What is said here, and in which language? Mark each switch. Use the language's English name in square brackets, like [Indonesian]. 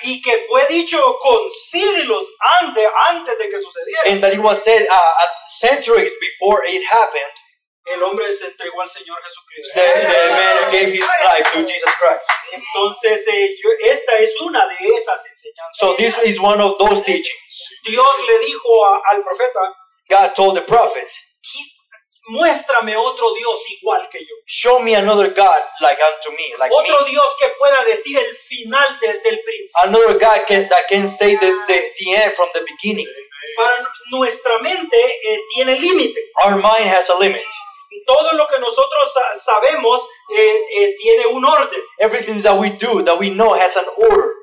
[Spanish] Y que fue dicho con siglos antes de que sucediera. [English] And that it was said centuries before it happened. [Spanish] El hombre se entregó al Señor Jesucristo. [English] The man gave his life to Jesus Christ. [Spanish] Entonces, esta es una de esas enseñanzas. [English] So this is one of those teachings. [Spanish] Dios le dijo al profeta. [English] God told the prophet. [Spanish] Muéstrame otro Dios igual que yo. [English] Show me another God like unto me, like [Spanish] otro [English] me. [Spanish] Otro Dios que pueda decir el final desde el principio. [English] Another God that can say the end from the beginning. [Spanish] Para nuestra mente tiene límite. [English] Our mind has a limit. [Spanish] Todo lo que nosotros sabemos tiene un orden. [English] Everything that we do, that we know, has an order.